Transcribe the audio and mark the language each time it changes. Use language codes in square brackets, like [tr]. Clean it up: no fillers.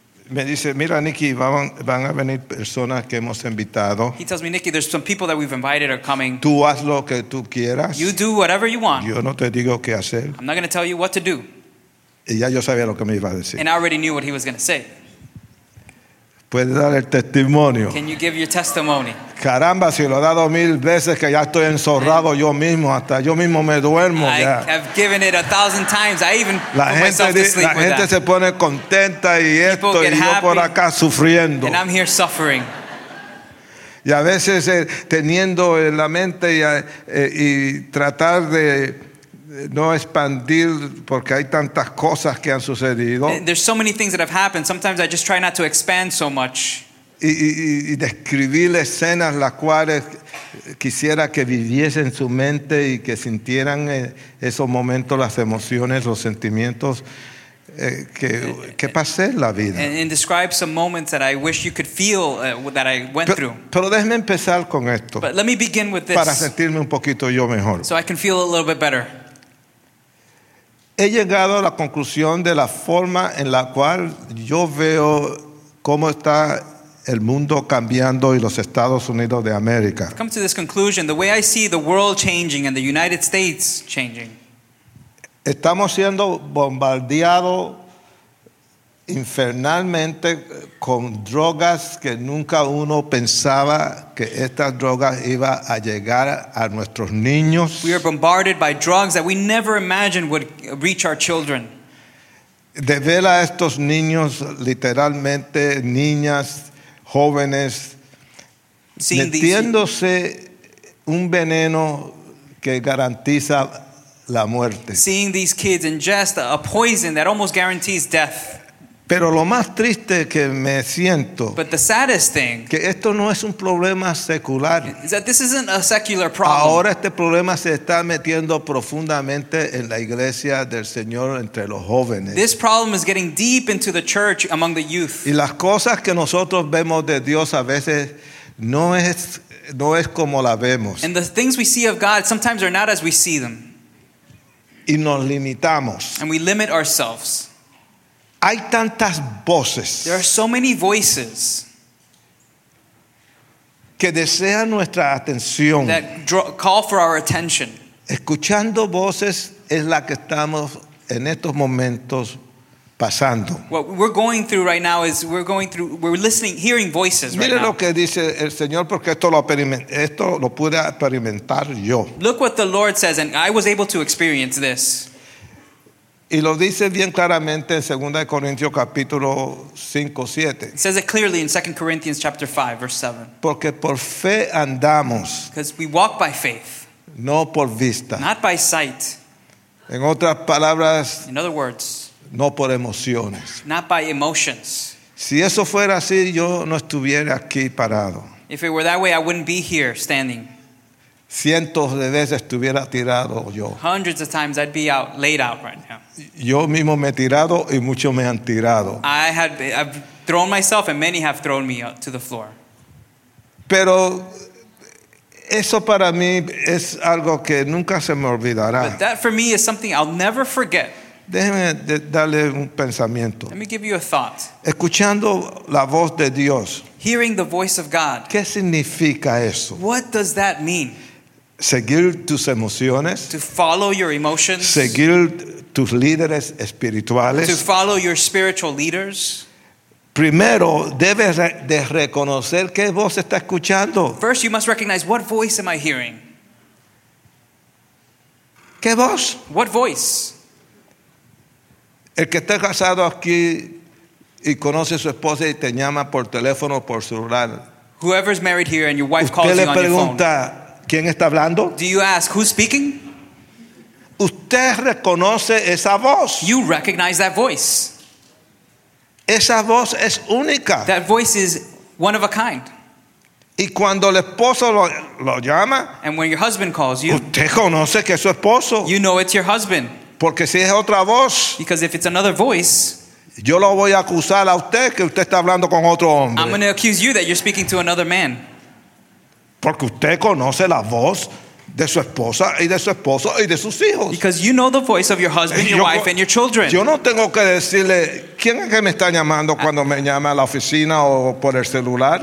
[es] me dice, mira, Nikki, van a venir personas que hemos invitado. [en] He tells me, Nikki, there's some people that we've invited are coming. [es] Tú haz lo que tú quieras. [en] You do whatever you want. [es] Yo no te digo qué hacer. [en] I'm not going to tell you what to do. [es] Y ya yo sabía lo que me iba a decir. [en] And I already knew what he was going to say. [es] Puede dar el testimonio. [en] Can you give your testimony? [es] Caramba, si lo he dado mil veces que ya estoy enzorrado yo mismo, hasta yo mismo me duermo ya. [en] I have given it 1,000 times. I even [es] la gente, [en] went off to sleep [es] la gente [en] with [es] se pone contenta y [en] people [es] esto y yo por acá sufriendo. [en] And I'm here suffering. [es] Y a veces teniendo en la mente y tratar de no expandir porque hay tantas cosas que han sucedido. [en] There's so many things that have happened. Sometimes I just try not to expand so much. [es] Y describir escenas las cuales quisiera que viviese en su mente y que sintieran esos momentos, las emociones, los sentimientos que pasé en la vida. [en] And describe some moments that I wish you could feel that I went through. [es] Pero déjeme empezar con esto. [en] But let me begin with this. [es] Para sentirme un poquito yo mejor. [en] So I can feel a little bit better. [es] He llegado a la conclusión de la forma en la cual yo veo cómo está el mundo cambiando y los Estados Unidos de América. [en] Come to this conclusion, the way I see the world changing and the United States changing. [es] Estamos siendo bombardeados infernalmente con drogas que nunca uno pensaba que estas drogas iba a llegar a nuestros niños. [en] We are bombarded by drugs that we never imagined would reach our children. [es] De ver a estos niños, literalmente niñas, jóvenes, metiéndose un veneno que garantiza la muerte. [en] Seeing these kids ingest a poison that almost guarantees death. [es] Pero lo más triste que me siento, [en] but the saddest thing, [es] que esto no es un problema secular. [en] Is that this isn't a secular problem. [es] Ahora este problema se está metiendo profundamente en la iglesia del Señor entre los jóvenes. [en] This problem is getting deep into the church among the youth. [es] Y las cosas que nosotros vemos de Dios a veces no es como la vemos. [en] And the things we see of God sometimes are not as we see them. [es] Y nos limitamos. [en] And we limit ourselves. [es] Hay tantas voces. [en] There are so many voices [es] que desean nuestra atención. [en] That call for our attention. [es] Escuchando voces es la que estamos en estos momentos pasando. [en] What we're going through right now is we're listening, hearing voices right now. [es] Mire lo que dice el Señor, porque esto lo pude experimentar yo. [en] Look what the Lord says, and I was able to experience this. [es] Y lo dice bien claramente en 2 Corintios capítulo 5, 7. [en] It says it clearly in 2 Corinthians chapter 5, verse 7. [es] Porque por fe andamos. [en] Because we walk by faith. [es] No por vista. [en] Not by sight. [es] En otras palabras. [en] In other words. [es] No por emociones. [en] Not by emotions. [es] Si eso fuera así, yo no estuviera aquí parado. [en] If it were that way, I wouldn't be here standing. [es] Cientos de veces estuviera tirado yo. [en] Hundreds of times I'd be out, laid out right now. [es] Yo mismo me he tirado y muchos me han tirado. [en] I've thrown myself and many have thrown me to the floor. [es] Pero eso para mí es algo que nunca se me olvidará. [en] But that for me is something I'll never forget. [es] Déjeme darle un pensamiento. [en] Let me give you a thought. [es] Escuchando la voz de Dios. [en] Hearing the voice of God. [es] ¿Qué significa eso? [en] What does that mean? [es] Seguir tus emociones. [en] To follow your emotions. [es] Seguir tus líderes espirituales. [en] To follow your spiritual leaders. [es] Primero, debes de reconocer qué voz está escuchando. [en] First, you must recognize, what voice am I hearing? [es] ¿Qué voz? [en] What voice? [es] El que esté casado aquí y conoce a su esposa y te llama por teléfono o por celular. [en] Whoever's married here and your wife calls you on your phone. [es] ¿Usted le pregunta quién está hablando? [en] Do you ask who's speaking? [es] ¿Usted reconoce esa voz? [en] You recognize that voice. [es] Esa voz es única. [en] That voice is one of a kind. [es] Y cuando el esposo lo llama. [en] And when your husband calls you. [es] ¿Usted conoce que es su esposo? [en] You know it's your husband. [es] Porque si es otra voz, [en] because if it's another voice, [es] yo lo voy a acusar a usted que usted está hablando con otro hombre. [en] I'm going to accuse you that you're speaking to another man. [es] Porque usted conoce la voz de su esposa y de su esposo y de sus hijos. [en] Because you know the voice of your husband, your wife, and your children. [es] Yo no tengo que decirle quién es que me está llamando cuando me llama a la oficina o por el celular.